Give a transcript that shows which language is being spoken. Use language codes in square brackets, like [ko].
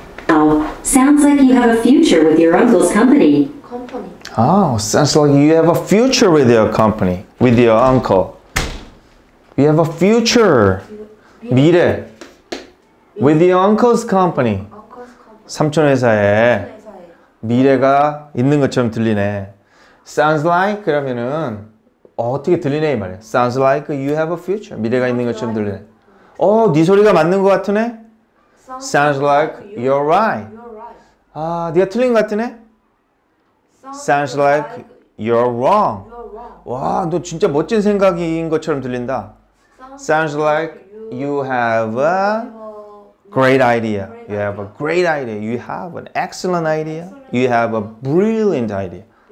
[en] Oh, sounds like you have a future with your uncle's company. Oh, sounds like you have a future with your company, with your uncle. You have a future. [ko] 미래. [en] With your uncle's company. [ko] 삼촌 회사에 미래가 있는 것처럼 들리네. [en] Sounds like [ko] 그러면은 어떻게 들리네 이 말이야. [en] Sounds like you have a future. [ko] 미래가 있는 것처럼 들리네. 어, 네 소리가 맞는 것 같으네. [en] Sounds like you're right. [ko] 아, 네가 틀린 것 같으네. [en] Sounds like you're wrong. [ko] 와, 너 진짜 멋진 생각인 것처럼 들린다. [en] Sounds like you have a great idea. You have a great idea. You have an excellent idea. You have a brilliant idea.